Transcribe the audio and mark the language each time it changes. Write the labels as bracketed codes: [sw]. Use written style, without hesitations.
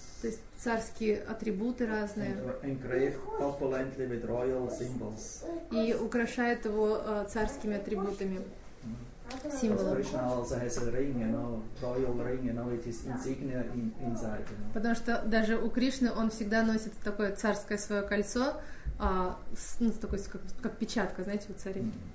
[ru] То есть царские атрибуты разные. [en] Engraved opulently with royal symbols. [ru] И украшают его царскими атрибутами, символами. [en] Krishna also has a ring, you know, royal ring, you know, with his insignia inside. You know. [ru] Потому что даже у Кришны он всегда носит такое царское свое кольцо, ну, такой как печатка, знаете, у царей.